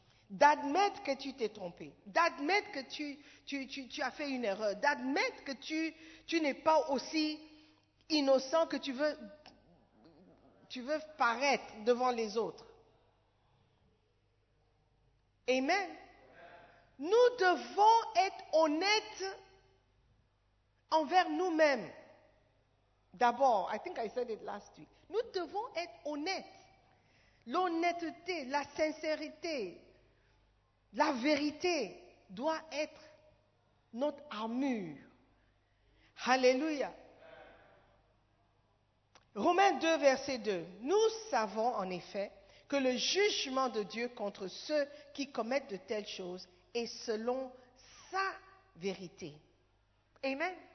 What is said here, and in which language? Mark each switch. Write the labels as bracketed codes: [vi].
[fr] D'admettre que tu t'es trompé, d'admettre que tu as fait une erreur, d'admettre que tu n'es pas aussi innocent que tu veux paraître devant les autres. Amen. Nous devons être honnêtes envers nous-mêmes. [en] D'abord, I think I said it last week. [fr] Nous devons être honnêtes. L'honnêteté, la sincérité, la vérité doit être notre armure. Alléluia. Romains 2, verset 2. Nous savons en effet que le jugement de Dieu contre ceux qui commettent de telles choses est selon sa vérité. Amen.